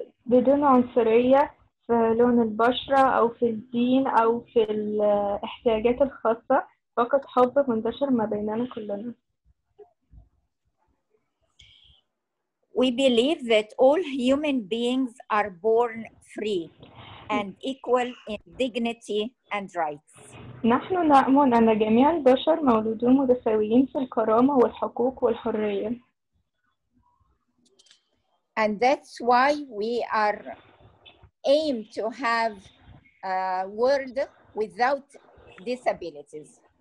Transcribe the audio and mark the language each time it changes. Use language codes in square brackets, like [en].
[ar] بدون عنصرية في لون البشرة أو في الدين أو في الاحتياجات الخاصة, فقط حب منتشر ما بيننا كلنا. [en] We believe that all human beings are born free and equal in dignity and rights. [ar] نحن نؤمن أن جميع البشر مولودون متساويين في الكرامة والحقوق والحرية. [en] And that's why we are aim to have a world without disabilities.